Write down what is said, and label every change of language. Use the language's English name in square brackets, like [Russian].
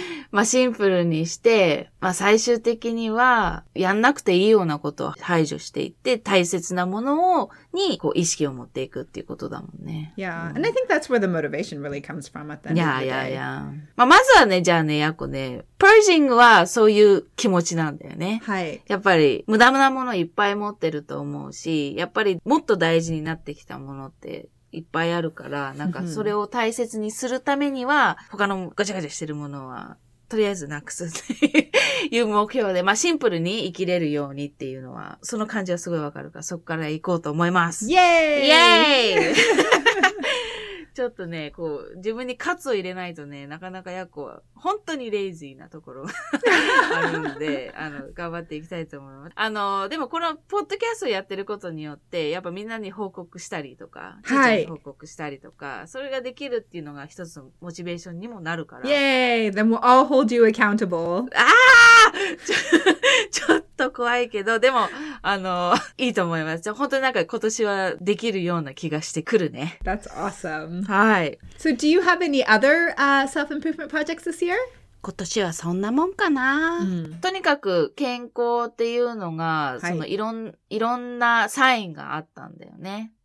[Japanese] まあ、シンプルにして、まあ、最終的には、やんなくていいようなことを排除していって、大切なものを、に、こう、意識を持っていくっていうことだもんね。 [English] Yeah.、 [Japanese] うん、 [English] And I think that's where the motivation really comes from at the end of the day. Yeah, yeah, yeah. [Japanese] まあ、まずはね、じゃあね、やっこね、プルジングはそういう気持ちなんだよね。はい。やっぱり、無駄なものいっぱい持ってると思うし、やっぱり、もっと大事になってきたものって、いっぱいあるから、なんか、それを大切にするためには、他のガチャガチャしてるものは、とりあえずなくすっていう目標で、まあ、シンプルに生きれるようにっていうのは、その感じはすごいわかるから、そこから行こうと思います。イェーイ！イェーイ！ちょっとね、こう、自分にカツを入れないとね、なかなかヤコは、本当にレイジーなところがあるんで、頑張っていきたいと思います。でもこの、ポッドキャストをやってることによって、やっぱみんなに報告したりとか、はい。報告したりとか、それができるっていうのが一つのモチベーションにもなるから。 [English] イェーイ !Then we'll all hold you accountable. [Japanese] ああ怖いけど、でもいいと思います。じゃあ本当になんか今年はできるような気がしてくるね。 [English] That's awesome. [Japanese] はい。 [English] So do you have any other self-improvement projects this year? [Japanese] 今年はそんなもんかな。うん、とにかく健康っていうのが、はい、そのいろんなサインがあったんだよね。